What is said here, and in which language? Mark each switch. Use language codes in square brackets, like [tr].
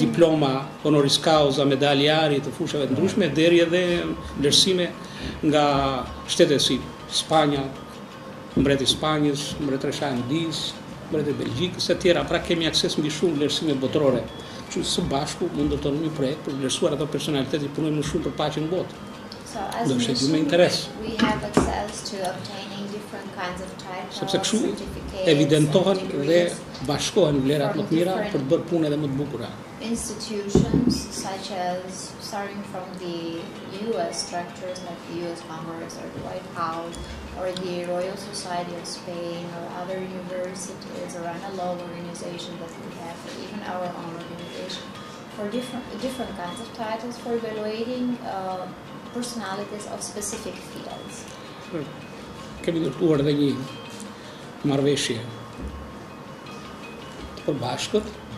[sq] diploma honoris causa, medaljari të fushave të ndryshme, deri edhe vlerësime nga shtete si Spanja, mbreti i Spanjës, mbretëria e Shqipërisë, mbretëria e Belgjikës, etj. Pra kemi akses mbi shumë vlerësime botërore. Që së bashku mund të ndërtojmë një projekt për vlerësuar ato personalitete që punojnë më shumë për paqen në botë. Do të shëjë me interes. [en] We have access to obtaining different kinds of titles. [sq] Sepse kështu evidentohen dhe bashkohen vlerat më të mira për të bërë punë edhe më të bukura. [en] Institutions such as starting from the US structures like the US Congress or the White House or the Royal Society of Spain or other universities or analog organizations that we have, or even our own organization, for different kinds of titles for evaluating personalities of specific fields. [sq] Kemi ndërtuar edhe një marrëveshje për bashkët.